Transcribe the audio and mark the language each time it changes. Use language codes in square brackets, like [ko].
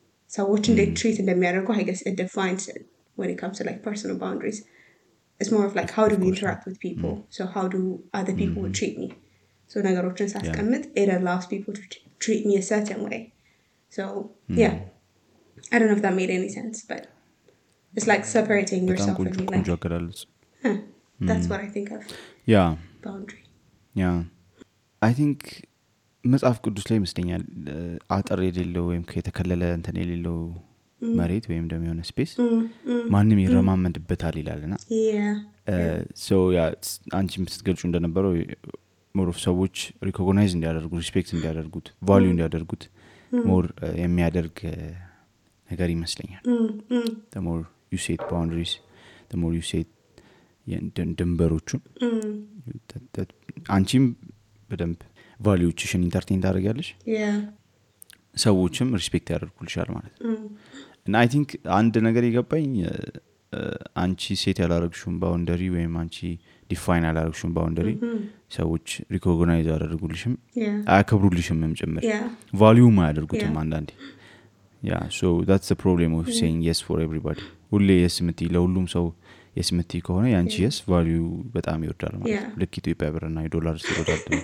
[am] ሰዎች እንዴት ትሪት እንደሚያደርጉ [en] I guess it defines it when it comes to like personal boundaries it's more of like how do we interact with people so how do other people treat me so [am] ነገሮችን ሳስቀምጥ [en] it allows people to treat me a certain way so yeah I don't know if that made any sense, but it's like separating yourself from me. Like, huh, that's what I think of. Yeah. Boundary. Yeah. I think [am] መጽሐፍ ቅዱስ ላይ መስደኛ አጥር የሌለው ወይም ከተከለለ እንትን የሌለው መሬት ወይም ደም የሆነ ስፔስ ማንንም ይረማመድበታል ይላልና [en] yeah. [am] So yeah, አንቺ ምትገልጹ እንደነበረው [en] more of [am] ሰዎች recognize እንዲያደርጉ respect እንዲያደርጉት value እንዲያደርጉት more የሚያደርግ ነገር ይመስለኛል. [en] The more you set boundaries, the more you set [am] ድንበሮችን አንቺም በደንብ ቫልዩችሽን ኢንተርቴን ታደርጋለሽ. [en] Yeah. [am] ሰዎችም ሪስፔክት ያደርጉልሻል ማለት ነው. [en] And I think [am] አንድ ነገር ይገባኝ አንቺ ሴት ያላረግሽው ባውንደሪ ወይም አንቺ ዲፋይን ያላረግሽው ባውንደሪ ሰዎች ሪኮግናይዝ ያደርጉልሽም አያከብሩልሽም እንጨምር. [en] Yeah. [am] ቫልዩም አያደርጉትም አንዳንዴ. [en] Yeah, so that's the problem of saying yes for everybody. [am] ሁሌ yes ምት ለሁሉም ሰው yes ምት ከሆነ ያንቺ yes value በጣም ይወርዳል ማለት ነው። ለኪቱ ኢትዮጵያ ብርና ዶላር ሲወርዳል